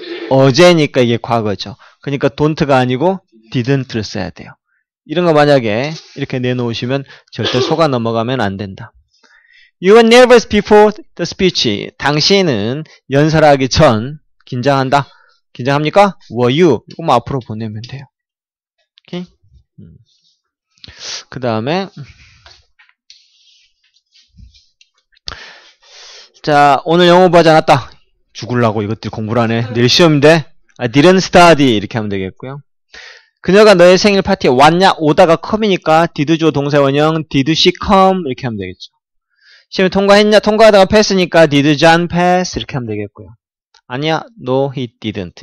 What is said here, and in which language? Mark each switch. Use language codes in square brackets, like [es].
[ko] 어제니까 이게 과거죠. 그러니까 don't가 아니고 didn't를 써야 돼요. 이런 거 만약에 이렇게 내놓으시면 절대 속아 넘어가면 안 된다. [en] You were nervous before the speech. [ko] 당신은 연설하기 전 긴장한다? 긴장합니까? [en] Were you? [ko] 이것만 앞으로 보내면 돼요. 오케이? 그 다음에 자, 오늘 영어 보지 않았다. 죽을라고 이것들 공부를 하네. 내일 시험인데? [en] I didn't study. [ko] 이렇게 하면 되겠고요. 그녀가 너의 생일 파티에 왔냐? 오다가 come이니까 did 주어 동사 원형 [en] did she come? [ko] 이렇게 하면 되겠죠. 시험 통과했냐? 통과하다가 pass니까 [en] did John pass? [ko] 이렇게 하면 되겠고요. 아니야, [en] no, he didn't.